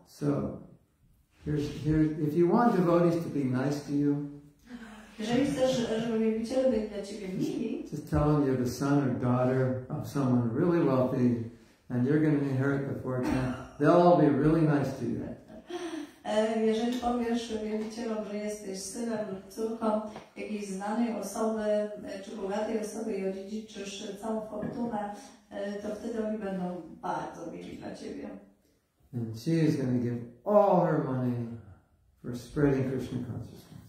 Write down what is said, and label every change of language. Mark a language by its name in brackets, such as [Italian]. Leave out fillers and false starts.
[English] So, here, if you want devotees to be nice to you, [Polish] jeżeli chcesz, żeby wierzyciele byli dla ciebie mili, [English] just tell them you're the son or daughter of someone really wealthy and you're going to inherit the fortune, they'll all be really nice to you. [Polish] Jeżeli powiesz wierzycielom, że jesteś synem lub córką jakiejś znanej osoby czy bogatej osoby i odziedziczysz całą fortunę, to wtedy oni będą bardzo mili dla ciebie. [English] And she is going to give all her money for spreading Krishna consciousness.